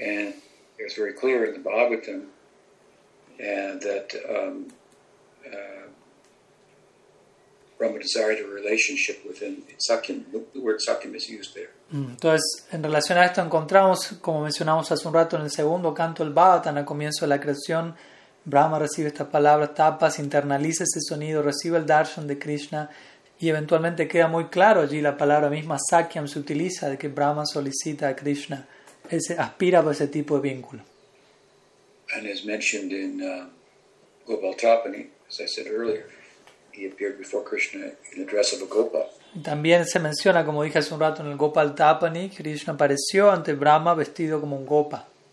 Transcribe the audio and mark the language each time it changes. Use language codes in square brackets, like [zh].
[en] And it was very clear in the Bhagavatam that Brahma desired a relationship with him. Sakyam, the word Sakyam is used there. [es] Entonces, en relación a esto, encontramos, como mencionamos hace un rato, en el segundo canto del Bhagavatam, al comienzo de la creación, Brahma recibe estas palabras, tapas, internaliza ese sonido, recibe el darshan de Krishna, y eventualmente queda muy claro allí la palabra misma Sakyam se utiliza, de que Brahma solicita a Krishna. Ese, aspira por ese tipo de vínculo. [en] And as mentioned in Gopaltapani, as I said earlier, he appeared before Krishna in the dress of a gopa. [es] También se menciona, como dije hace un rato, en el Gopaltapani, Krishna apareció ante Brahma vestido como un gopa.